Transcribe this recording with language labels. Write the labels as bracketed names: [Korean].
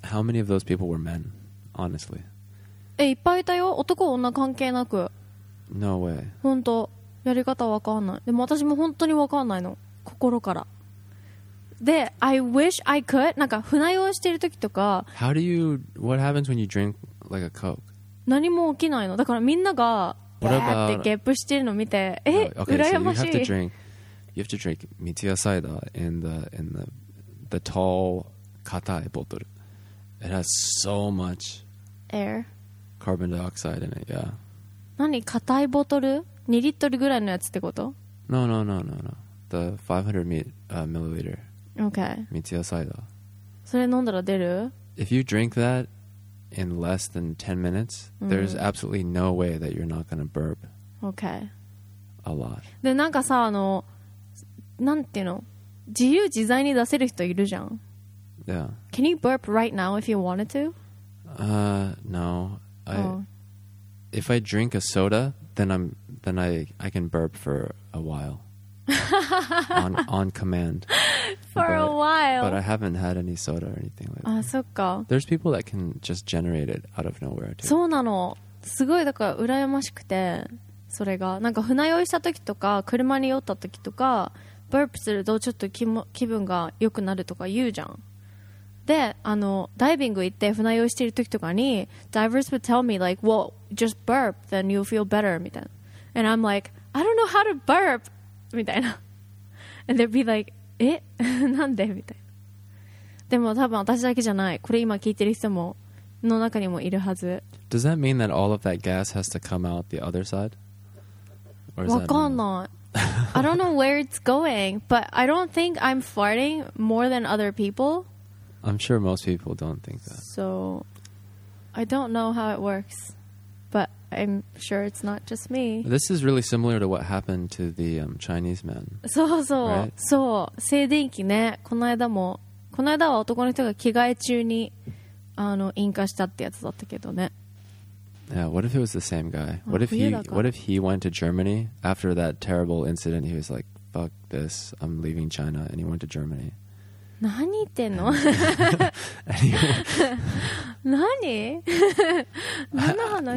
[English] How many of those people were men? Honestly. [Japanese] え、いっぱいいたよ、男女関係なく。 [English] No way. [Japanese] 本当やり方わかんない。でも私も本当にわかんないの、心から。 [English] で、 I wish I could。 [Japanese] なんか船酔いしてる時とか、 [English] How do you what happens when you drink like a coke? [Japanese] 何も起きないの。だからみんながバーってゲップしてるの見て、え、 [English] okay, [Japanese] 羨ましい。 [English] So you have to drink 三ツ矢サイダー in the tall [Japanese] 硬いボトル。 [English] It has so much air carbon dioxide in it. Yeah. [Japanese] 何、硬いボトル2リットルぐらいのやつってこと？ [English] No, no, no, no, no. The 500 milliliter. Okay. [Japanese] 三ツ矢サイダー。 それ飲んだら出る？ [English] If you drink that in less than 10 minutes,、there's absolutely no way that you're not gonna burp. Okay. A lot. [Japanese] で、なんかさ、あの、なんていうの？自由自在に出せる人いるじゃん。 [English] Yeah. Can you burp right now if you wanted to? No. If I drink a soda, then I can burp for a while. on command. For a while. But I haven't had any soda or anything like that. [Japanese] あ、そっか。 [English] There's people that can just generate it out of nowhere too. [Japanese] そうなの。すごい、だから羨ましくて、それが。なんか船酔いした時とか、車に酔った時とか、burp するとちょっと気分が良くなるとか言うじゃん。で、あの、ダイビング行って船酔いしてる時とかに、 [English] divers would tell me like, well, just burp, then you'll feel better, [Japanese] みたいな。 [English] And I'm like, I don't know how to burp, [Japanese] みたいな。 [English] And they'd be like, [Japanese] え？なんで？みたいな。でも多分私だけじゃない。これ今聞いてる人も、の中にもいるはず。 [English] Does that mean that all of that gas has to come out the other side? Or is [Japanese] わかんない。 [English] I don't know where it's going, but I don't think I'm farting more than other people. I'm sure most people don't think that. So, I don't know how it works, but I'm sure it's not just me. This is really similar to what happened to the Chinese men. [Japanese] そうそう、 [English] right? [Japanese] そう、静電気ね。この間も、この間は男の人が着替え中に引火したってやつだったけどね。 [English] Yeah, what if it was the same guy? What if he went to Germany after that terrible incident? He was like, "Fuck this, I'm leaving China," and he went to Germany. [Japanese] 何言ってんの？何？何の話？